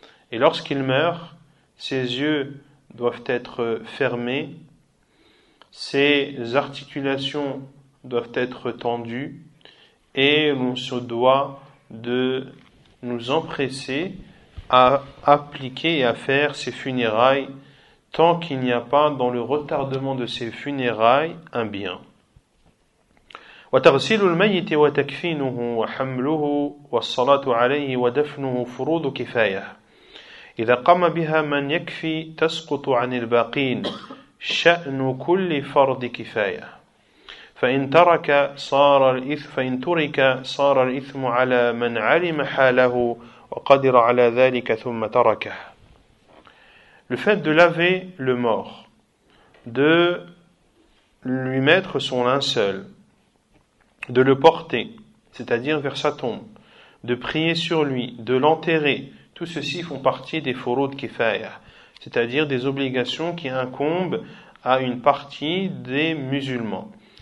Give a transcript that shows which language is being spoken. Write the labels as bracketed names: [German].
[French] Et lorsqu'il meurt, ses yeux doivent être fermés, ses articulations doivent être tendues, et on se doit de nous empresser à appliquer et à faire ses funérailles tant qu'il n'y a pas dans le retardement de ses funérailles un bien. [Arabic] وتغسيل الميت وتكفينه وحمله والصلاة عليه ودفنه فروض كفاية إذا قام بها من يكفي تسقط عن الباقين شأن كل فرض كفاية فإن ترك صار الإثم على من علم حاله وقدر على ذلك ثم تركه. [French] Le fait de laver le mort, de lui mettre son linceul, de le porter, c'est-à-dire vers sa tombe, de prier sur lui, de l'enterrer, tout ceci font partie des furud kifaya, c'est-à-dire des obligations qui incombent à une partie des musulmans.